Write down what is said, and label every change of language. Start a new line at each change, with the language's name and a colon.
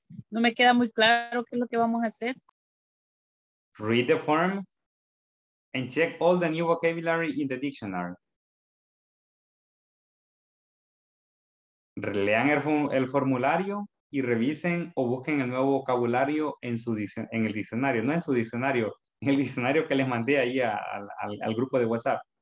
Spanish: No me queda muy claro qué es lo que vamos a hacer.
English: Read the form and check all the new vocabulary in the dictionary.
Spanish: Lean el formulario y revisen o busquen el nuevo vocabulario en el diccionario. No en su diccionario, en el diccionario que les mandé ahí al grupo de WhatsApp.